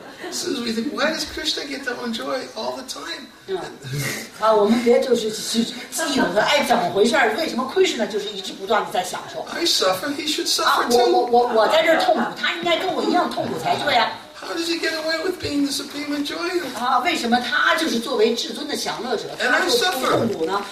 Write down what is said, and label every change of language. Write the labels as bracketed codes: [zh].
[en] So we think, why does Krishna get to enjoy all the time? [zh] 我们别就是嫉妒他，怎么回事？为什么 Krishna 就是一直不断的在享受 [en] ？I suffer, he should suffer too. [zh] 我在这儿痛苦，他应该跟我一样痛苦才对啊。 [en] How does he get away with being the supreme enjoyer? [zh] 为什么他就是作为至尊的享乐者，他就不痛苦呢？